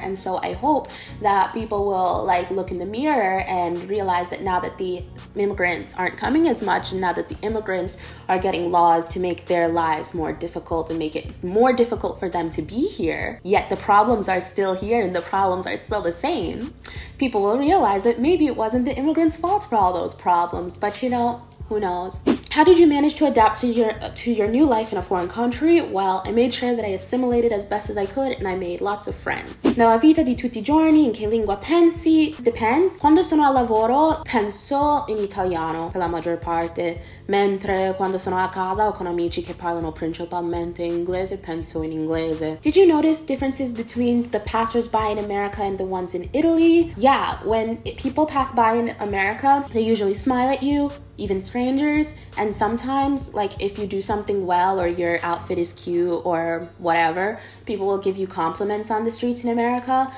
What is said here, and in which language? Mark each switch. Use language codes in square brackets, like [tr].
[en] And so I hope that people will like look in the mirror and realize that now that the immigrants aren't coming as much, and now that the immigrants are getting laws to make their lives more difficult and make it more difficult for them to be here, yet the problems are still here and the problems are still the same, people will realize that maybe it wasn't the immigrants' fault for all those problems. But you know, who knows? How did you manage to adapt to your new life in a foreign country? Well, I made sure that I assimilated as best as I could and I made lots of friends. [it] Nella vita di tutti i giorni, in che lingua pensi? [en] Depends. [it] Quando sono al lavoro, penso in italiano per la maggior parte. Mentre quando sono a casa o con amici che parlano principalmente inglese, penso in inglese. [en] Did you notice differences between the passers-by in America and the ones in Italy? Yeah, when people pass by in America, they usually smile at you, even strangers. And sometimes, like if you do something well or your outfit is cute or whatever, people will give you compliments on the streets in America.